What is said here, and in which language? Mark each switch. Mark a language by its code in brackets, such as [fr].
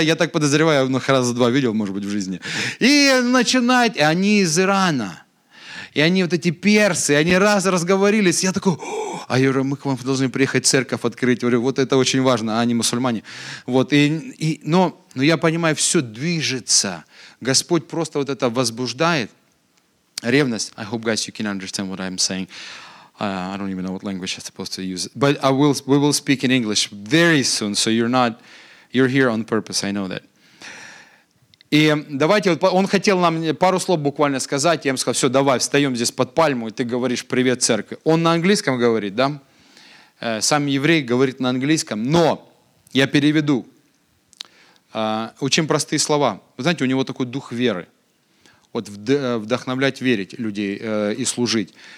[ru] Я так подозреваю, он их раза два видел, может быть, в жизни. И начинает, и они из Ирана. И они вот эти персы, они раз разговорились. Я такой, а я говорю, мы к вам должны приехать церковь открыть. Я говорю, вот это очень важно, а они мусульмане. Вот, но я понимаю, все движется. Господь просто вот это возбуждает. Ревность. [en] I hope guys you can understand what I'm saying. I don't even know what language I'm supposed to use. But we will speak in English very soon. So you're here on purpose, I know that. [ru] И давайте, он хотел нам пару слов буквально сказать, я ему сказал, все, давай, встаем здесь под пальму, и ты говоришь «Привет, церкви». Он на английском говорит, да? Сам еврей говорит на английском, но я переведу. Очень простые слова. Вы знаете, у него такой дух веры. Вот вдохновлять верить людей и служить.